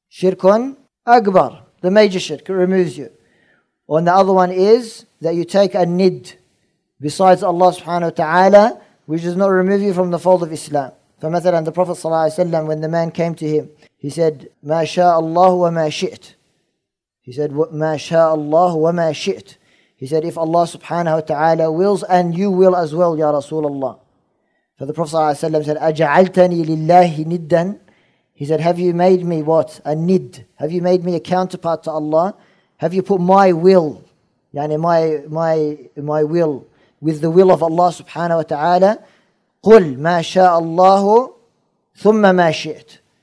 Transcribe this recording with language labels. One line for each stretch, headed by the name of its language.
English: Shirkun akbar. The major shirk. It removes you. And the other one is that you take a nid besides Allah subhanahu wa ta'ala, which does not remove you from the fold of Islam. For مثلا, the Prophet sallallahu alayhi wa sallam, when the man came to him, he said,
Arabic: ما شاء الله وما شئت.
English: He said,
Arabic: ما شاء الله وما شئت.
English: He said, if Allah subhanahu wa ta'ala wills, and you will as well, ya Rasulullah. So the Prophet sallallahu alayhi wa sallam said,
Arabic: أجعلتني لله ندا.
English: He said, have you made me what? A nid. Have you made me a counterpart to Allah? Have you put my will, yani my will, with the will of Allah subhanahu wa ta'ala,
Arabic: قُلْ مَا شَاءَ اللَّهُ ثُمَّ مَا شِئْتُ.